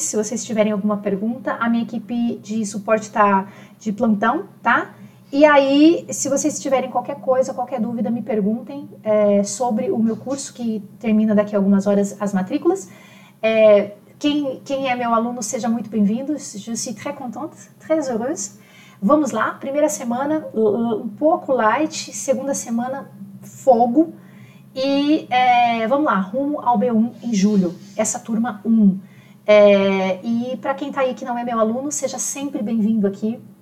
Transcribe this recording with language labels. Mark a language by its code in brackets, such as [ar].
[pt] Se vocês tiverem alguma pergunta, a minha equipe de suporte está de plantão, tá? E aí, se vocês tiverem qualquer coisa, qualquer dúvida, me perguntem sobre o meu curso, que termina daqui a algumas horas as matrículas. Quem é meu aluno, seja muito bem-vindo. [fr] Je suis très contente, très heureuse. [pt] Vamos lá, primeira semana, um pouco light. Segunda semana, fogo. E vamos lá, rumo ao B1 em julho, essa turma 1. E para quem está aí que não é meu aluno, seja sempre bem-vindo aqui.